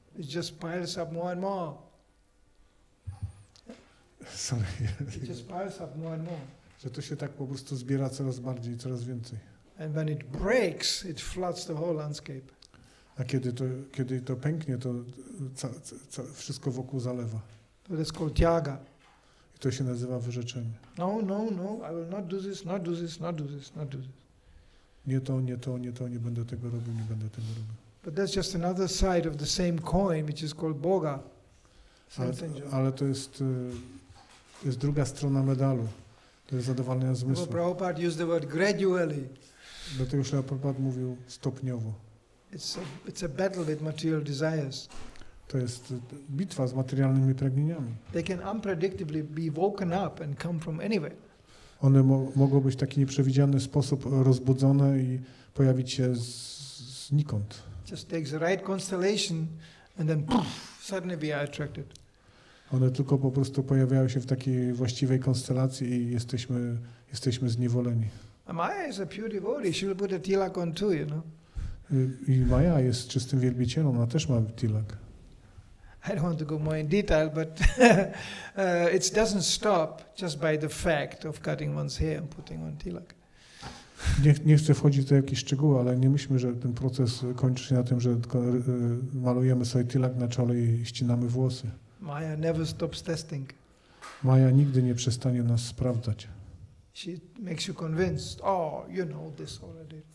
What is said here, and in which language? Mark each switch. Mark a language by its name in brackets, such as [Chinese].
[English] It just piles up more and more. Sorry. It just piles up more and more. [Polish] Że to się tak po prostu zbiera coraz bardziej, coraz więcej. [English] And when it breaks, it floods the whole landscape. [Polish] A kiedy to pęknie, to wszystko wokół zalewa. To jest [English] called [Polish] tyaga. I to się nazywa wyrzeczenie. [English] No, I will not do this, not do this, not do this, not do this. [Polish] Nie to, nie będę tego robił, nie będę tego robił. [English] But that's just another side of the same coin, which is called boga. [Polish] Ale to jest druga strona medalu. To jest zadowalenie zmysłu. [English] Well, Prabhupada used the word gradually. [Polish] Dlatego Śrīla Prabhupāda mówił stopniowo. [English] It's a battle with material desires. [Polish] To jest bitwa z materialnymi pragnieniami. [English] They can unpredictably be woken up and come from anywhere. [Polish] One mogą być w taki nieprzewidziany sposób rozbudzone i pojawić się znikąd. [English] Just takes the right constellation and then suddenly we are attracted. [Polish] One tylko po prostu pojawiają się w takiej właściwej konstelacji i jesteśmy zniewoleni. [English] Maya is a pure devotee, she will put a tilak on too, you know. [Polish] I Maya jest czystym wielbicielem, ona też ma tilak. [English] I don't want to go more in detail, but it doesn't stop just by the fact of cutting one's hair and putting on tilak. [Polish] Nie chcę wchodzić do jakichś szczegółów, ale nie myślmy, że ten proces kończy się na tym, że malujemy sobie tilak na czole i ścinamy włosy. [English] Maya never stops testing. [Polish] Maya nigdy nie przestanie nas sprawdzać. [English] She makes you convinced. Oh, you know this already.